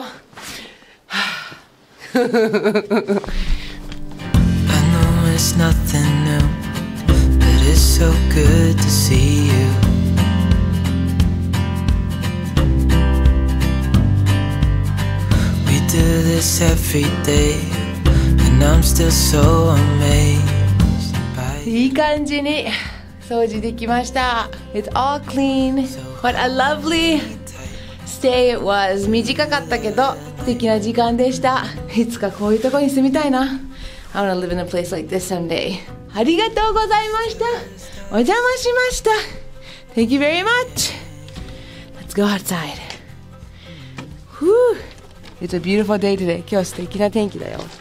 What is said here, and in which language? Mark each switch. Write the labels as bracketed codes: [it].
[en] I know it's nothing new, but it's so good to see you. We do this every day, and I'm still so amazed. [ja] いい感じに掃除できました。 [en] It's all clean. What a lovely stay it was. [ja] 短かったけど素敵な時間でした。いつかこういうとこに住みたいな。 [en] I wanna live in a place like this someday. [ja] ありがとうございました。お邪魔しました。 [en] Thank you very much. Let's go outside. Whew. It's a beautiful day today. [ja] 今日素敵な天気だよ。